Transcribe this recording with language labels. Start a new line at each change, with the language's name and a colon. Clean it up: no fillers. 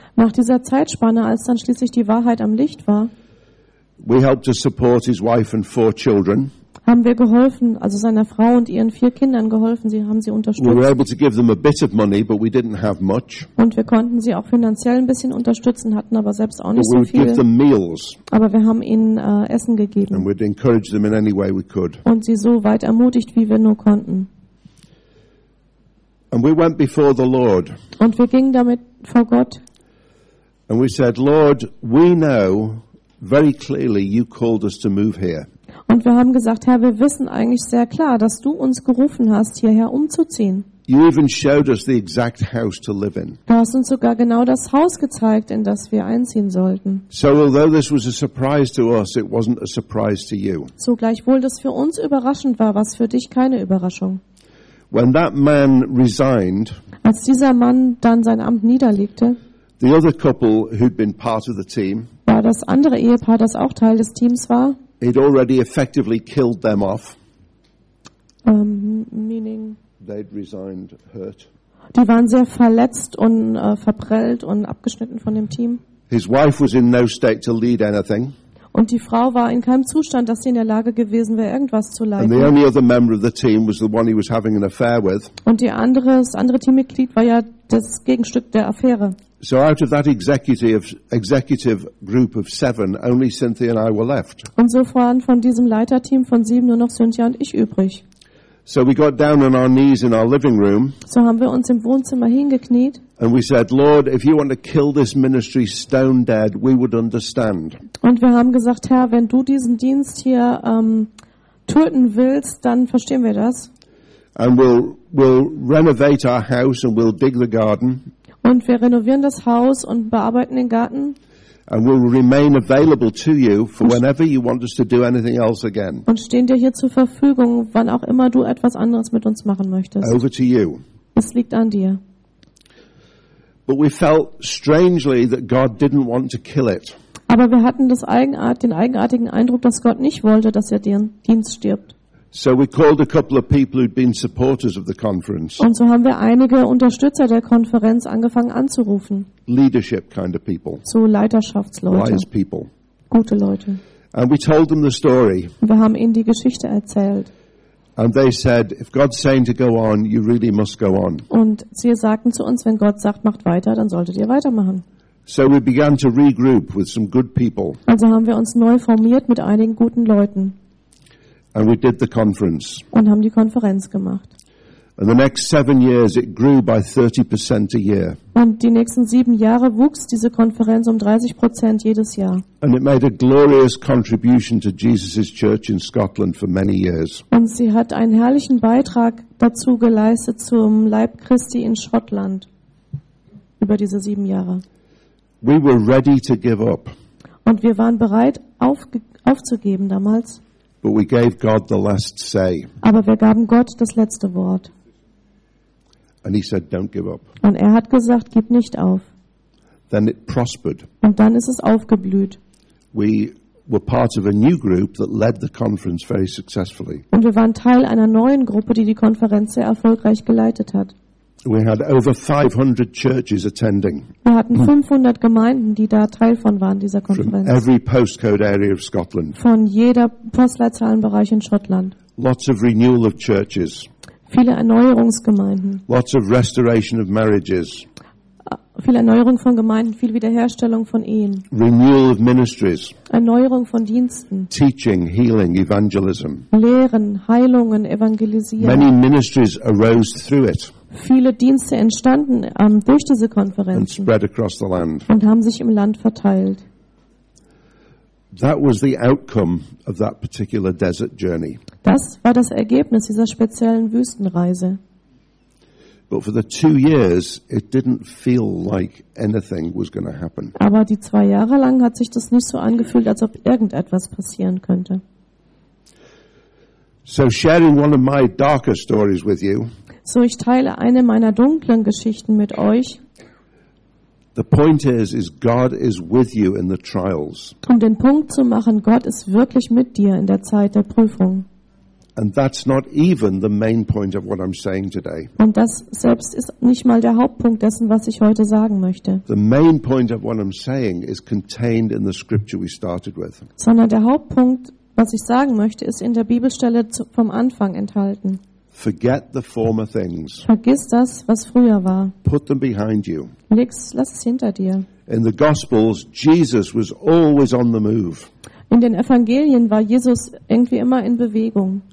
German: Nach dieser Zeitspanne, als dann schließlich die Wahrheit am Licht war.
English: We helped to support his wife and 4 children.
German: Haben wir geholfen, also seiner Frau und ihren 4 Kindern geholfen, sie haben sie unterstützt.
English: We were able to give them a bit of money, but we didn't have much.
German: Und wir konnten sie auch finanziell ein bisschen unterstützen, hatten aber selbst auch nicht so viel.
English: We would give them meals.
German: Aber wir haben ihnen Essen gegeben.
English: And we'd encourage them in any way we could.
German: Und sie so weit ermutigt, wie wir nur konnten.
English: And we went before the Lord.
German: Und wir gingen damit vor Gott.
English: And we said, Lord, we know very clearly you called us to move here.
German: Und wir haben gesagt, Herr, wir wissen eigentlich sehr klar, dass du uns gerufen hast, hierher umzuziehen.
English: You even showed us the exact house to live in.
German: Du hast uns sogar genau das Haus gezeigt, in das wir einziehen sollten.
English: So although this was a surprise to us, it wasn't a surprise to you.
German: So gleichwohl das für uns überraschend war, was für dich keine Überraschung.
English: When that man resigned,
German: als dieser Mann dann sein Amt niederlegte,
English: the other couple who'd been part of the team,
German: war das andere Ehepaar, das auch Teil des Teams war,
English: he'd already effectively killed them off. Meaning they'd resigned hurt.
German: Die waren sehr verletzt und verprellt und abgeschnitten von dem Team.
English: His wife was in no state to lead anything.
German: Und die Frau war in keinem Zustand, dass sie in der Lage gewesen wäre, irgendwas zu leiten.
English: And the only other member of the team was the one he was having an affair with.
German: Und das andere Teammitglied war ja das Gegenstück der Affäre.
English: So out of that executive group of 7, only Cynthia and I were left.
German: Und so waren von diesem Leiterteam von 7 nur noch Cynthia und ich übrig.
English: So we got down on our knees in our living room.
German: So haben wir uns im Wohnzimmer hingekniet.
English: And we said, Lord, if you want to kill this ministry stone dead, we would understand.
German: Und wir haben gesagt, Herr, wenn du diesen Dienst hier töten willst, dann verstehen wir das.
English: And we'll renovate our house and we'll dig the garden.
German: Und wir renovieren das Haus und bearbeiten den Garten.
English: And we'll remain available to you for whenever you want us to do anything else again.
German: Und stehen dir hier zur Verfügung, wann auch immer du etwas anderes mit uns machen möchtest.
English: Over to you.
German: Es liegt an dir.
English: But we felt strangely that God didn't want to kill it.
German: Aber wir hatten das den eigenartigen Eindruck, dass Gott nicht wollte, dass den Dienst stirbt.
English: So we called a couple of people who'd been supporters of the conference.
German: Und so haben wir einige Unterstützer der Konferenz angefangen anzurufen.
English: Leadership kind of people.
German: So Leiterschaftsleute.
English: Wise people.
German: Gute Leute.
English: And we told them the story.
German: Wir haben ihnen die Geschichte erzählt.
English: And they said, if God's saying to go on, you really must go on.
German: Und sie sagten zu uns, wenn Gott sagt, macht weiter, dann solltet ihr weitermachen.
English: So we began to regroup with some good people.
German: Also haben wir uns neu formiert mit einigen guten Leuten.
English: And we did the conference.
German: Und haben die Konferenz gemacht.
English: And the next 7 years it grew by 30% a year.
German: Und die nächsten 7 Jahre wuchs diese Konferenz 30% jedes Jahr.
English: And it made a glorious contribution to Jesus' church in Scotland for many years.
German: Und sie hat einen herrlichen Beitrag dazu geleistet zum Leib Christi in Schottland über diese 7 Jahre.
English: We were ready to give up.
German: Und wir waren bereit aufzugeben damals.
English: But we gave God the last say.
German: Aber wir gaben Gott das letzte Wort.
English: And he said, "Don't give up."
German: Und hat gesagt, gib nicht auf.
English: Then it prospered.
German: Und dann ist es aufgeblüht.
English: We were part of a new group that led the conference very successfully.
German: Und wir waren Teil einer neuen Gruppe, die Konferenz sehr erfolgreich geleitet hat.
English: We had over 500 churches attending.
German: Wir hatten 500 Gemeinden, die da Teil von waren dieser Konferenz.
English: From every postcode area of Scotland.
German: Von jeder Postleitzahlenbereich in Schottland.
English: Lots of renewal of churches.
German: Viele Erneuerungsgemeinden.
English: Lots of restoration of marriages.
German: Viel Erneuerung von Gemeinden, viel Wiederherstellung von Ehen.
English: Renewal of ministries.
German: Erneuerung von Diensten.
English: Teaching, healing, evangelism.
German: Lehren, Heilungen, Evangelisieren.
English: Many ministries arose through it.
German: Viele Dienste entstanden durch diese Konferenzen
English: and spread across the land.
German: Und haben sich im Land verteilt.
English: That was the outcome of that particular desert journey.
German: Das war das Ergebnis dieser speziellen Wüstenreise.
English: But for the 2 years, it didn't feel like anything was going to happen.
German: Aber die 2 Jahre lang hat sich das nicht so angefühlt, als ob irgendetwas passieren könnte.
English: So sharing one of my darker stories with you.
German: So ich teile eine meiner dunklen Geschichten mit euch.
English: The point is God is with you in the trials.
German: Um den Punkt zu machen, Gott ist wirklich mit dir in der Zeit der Prüfung.
English: And that's not even the main point of what I'm saying today.
German: Und das selbst ist nicht mal der Hauptpunkt dessen, was ich heute sagen möchte.
English: The main point of what I'm saying is contained in the scripture we started with.
German: Sondern der Hauptpunkt, was ich sagen möchte, ist in der Bibelstelle vom Anfang enthalten.
English: Forget the former things.
German: Vergiss das, was früher war.
English: Put them behind you.
German: Lass es hinter dir.
English: In the Gospels, Jesus was always on the move.
German: In den Evangelien war Jesus irgendwie immer in Bewegung.